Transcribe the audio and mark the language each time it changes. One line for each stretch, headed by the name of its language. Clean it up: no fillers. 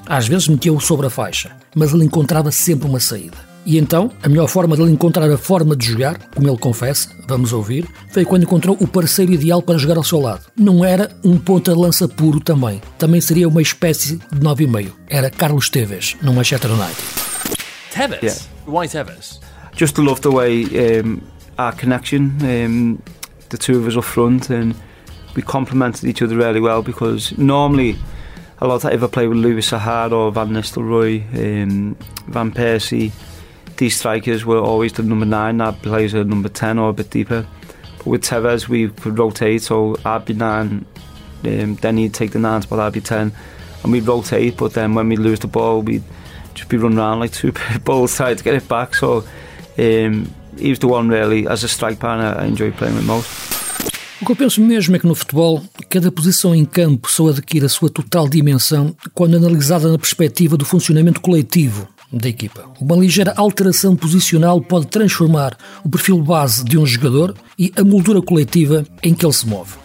Portuguese: Às vezes metia-o sobre a faixa, mas ele encontrava sempre uma saída. E então, a melhor forma de ele encontrar a forma de jogar, como ele confessa, vamos ouvir, foi quando encontrou o parceiro ideal para jogar ao seu lado. Não era um ponta-lança puro também. Também seria uma espécie de 9,5. Era Carlos Tevez, no Manchester United.
English: Tevez? Yeah. Why Tevez? Just love the way our connection, the two of us up front, and we complemented each other really well, because normally, a lot of times I play with Luis Suárez or Van Nistelrooy, Van Persie, these strikers were always the number 9, that plays a number 10 or a bit deeper. But with Tevez, we could rotate, so I'd be 9, then he'd take the 9 spot, I'd be 10, and we'd rotate, but then when we'd lose the ball, we'd just be running around like two pit bulls trying to get it back. So he was the one, really, as a strike partner, I enjoyed playing with most.
Portuguese: O que eu penso mesmo é que no futebol, cada posição em campo só adquire a sua total dimensão quando analisada na perspectiva do funcionamento coletivo da equipa. Uma ligeira alteração posicional pode transformar o perfil base de um jogador e a moldura coletiva em que ele se move.